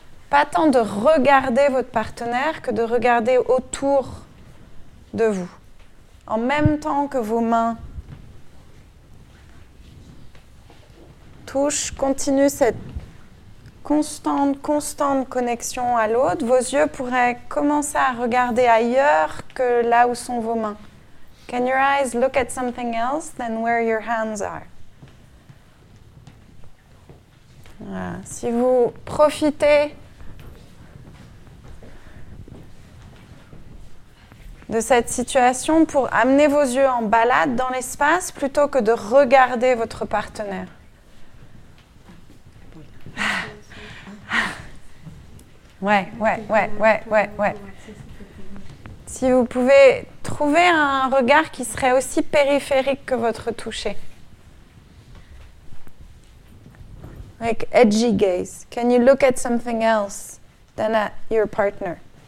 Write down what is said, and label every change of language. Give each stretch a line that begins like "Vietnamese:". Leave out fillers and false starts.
French: Pas tant de regarder votre partenaire que de regarder autour de vous, en même temps que vos mains. Touche, continue cette constante connexion à l'autre. Vos yeux pourraient commencer à regarder ailleurs que là où sont vos mains.
English: Can your eyes look at something else than where your hands are?
French: Voilà. Si vous profitez de cette situation pour amener vos yeux en balade dans l'espace plutôt que de regarder votre partenaire. Ouais, ouais, ouais, ouais, ouais, ouais. si vous pouvez trouver un regard qui serait aussi périphérique que votre toucher.
English: Like edgy gaze. Can you look at something else than at your partner?